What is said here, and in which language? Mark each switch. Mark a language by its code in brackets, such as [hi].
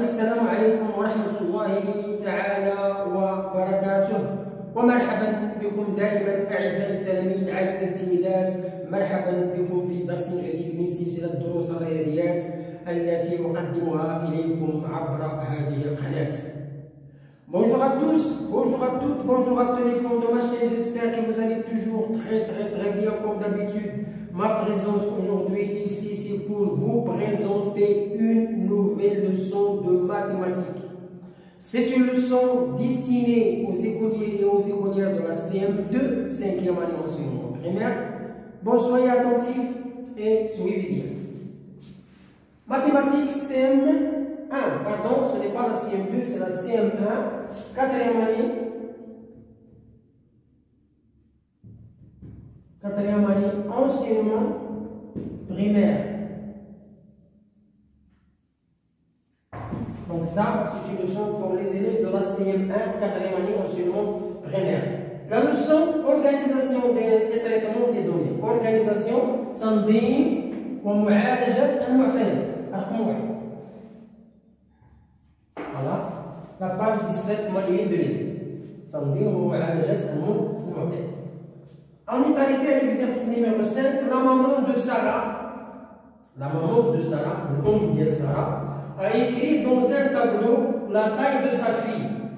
[ar] السلام عليكم ورحمة الله تعالى وبركاته، ومرحبا بكم دائما أعزائي التلاميذ أعزائي التلميذات، مرحبا بكم في درس جديد من سلسلة دروس الرياضيات التي أقدمها إليكم عبر هذه القناة. [fr] Bonjour à tous, bonjour à toutes, bonjour à tous les fans de ma chaîne. J'espère que vous allez toujours très très très bien comme d'habitude. Ma présence aujourd'hui ici, c'est pour vous présenter une nouvelle leçon de mathématiques. C'est une leçon destinée aux écoliers et aux écolières de la CM2, 5e année enseignement primaire. Bon, soyez attentifs et suivez bien. Mathématiques CM1, pardon, ce n'est pas la CM2, c'est la CM1, 4e année. 4e année, enseignement primaire. Donc ça, c'est une leçon pour les élèves de la CM1, 4e année, enseignement primaire. La leçon, organisation des traitements des données. [ar] Organisation, تنظيم ومعالجة المعتاد. رقم 1. [fr] Voilà. La page 17, manuel de l'élève. [ar] تنظيم ومعالجة المعتاد. [fr] On est arrivé à l'exercice numéro 5. La maman de Sarah, l'homme de Sarah, a écrit dans un tableau la taille de sa fille.